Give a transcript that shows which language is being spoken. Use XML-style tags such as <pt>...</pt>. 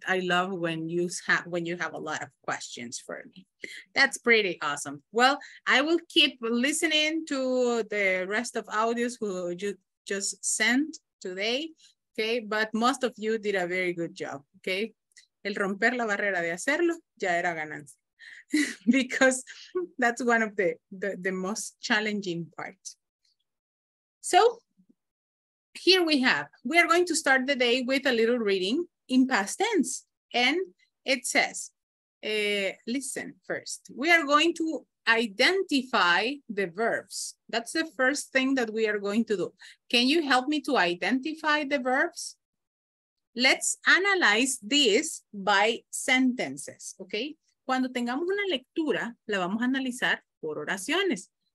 <en>I love when you have a lot of questions for me. That's pretty awesome. Well, I will keep listening to the rest of audios who you just sent today, okay? But most of you did a very good job, okay?</en> <es>El romper la barrera de hacerlo ya era ganancia.</es> <en>Because that's one of the most challenging parts. So here we have, we are going to start the day with a little reading in past tense. And it says, listen first, we are going to identify the verbs. That's the first thing that we are going to do. Can you help me to identify the verbs? Let's analyze this by sentences, okay?</en> <es>Cuando tengamos una lectura, la vamos a analizar por oraciones.</es>